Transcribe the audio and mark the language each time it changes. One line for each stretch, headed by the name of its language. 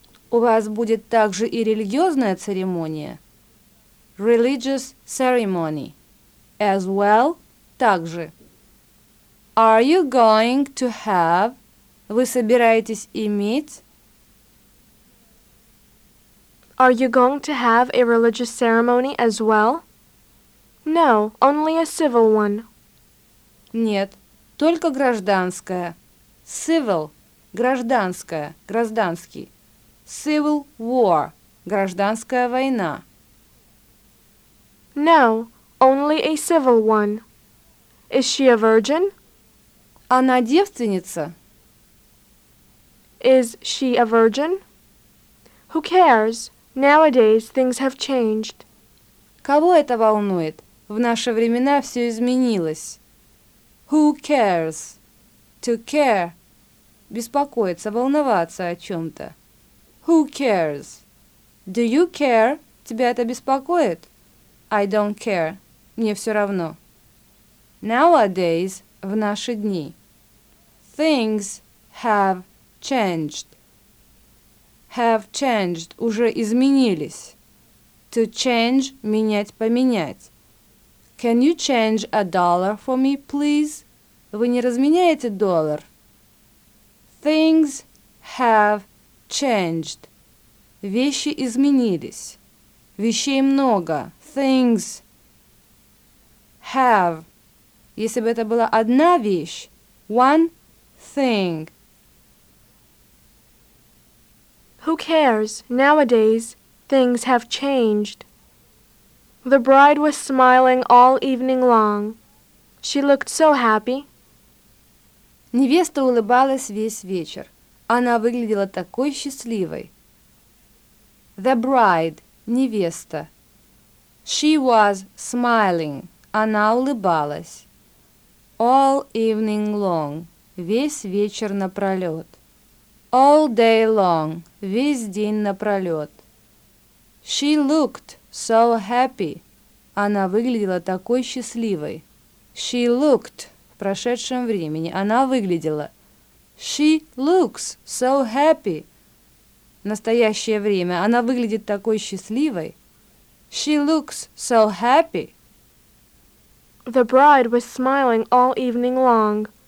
Russian: У вас будет также и религиозная церемония.
English: Religious ceremony. As well,
Russian: также.
English: Are you going to have?
Russian: Вы собираетесь иметь?
English: Are you going to have a religious ceremony as well? No, only a civil one.
Russian: Нет, только гражданская.
English: Civil.
Russian: Гражданская. Гражданский.
English: Civil war.
Russian: Гражданская война.
English: No, only a civil one. Is she a virgin?
Russian: Она девственница.
English: Is she a virgin? Who cares? Nowadays things have changed.
Russian: Кого это волнует? В наши времена все изменилось.
English: Who cares? To care.
Russian: беспокоиться, волноваться о чем-то.
English: Who cares? Do you care?
Russian: Тебя это беспокоит?
English: I don't care.
Russian: Мне все равно.
English: Nowadays,
Russian: в наши дни.
English: Things have changed. Have changed,
Russian: уже изменились.
English: To change,
Russian: менять, поменять.
English: Can you change a dollar for me, please?
Russian: Вы не разменяете доллар?
English: Things have changed.
Russian: Вещи изменились. Вещей много.
English: Things have.
Russian: Если бы это была одна вещь.
English: One thing. Who cares? Nowadays, things have changed. The bride was smiling all evening long. She looked so happy.
Russian: Невеста улыбалась весь вечер. Она выглядела такой счастливой.
English: The bride,
Russian: невеста.
English: She was smiling.
Russian: Она улыбалась.
English: All evening long.
Russian: Весь вечер напролет.
English: All day long.
Russian: Весь день напролет.
English: She looked so happy.
Russian: Она выглядела такой счастливой.
English: She looked.
Russian: В прошедшем времени. Она выглядела.
English: She looks so happy.
Russian: В настоящее время. Она выглядит такой счастливой.
English: She looks so happy. The bride was smiling all evening long.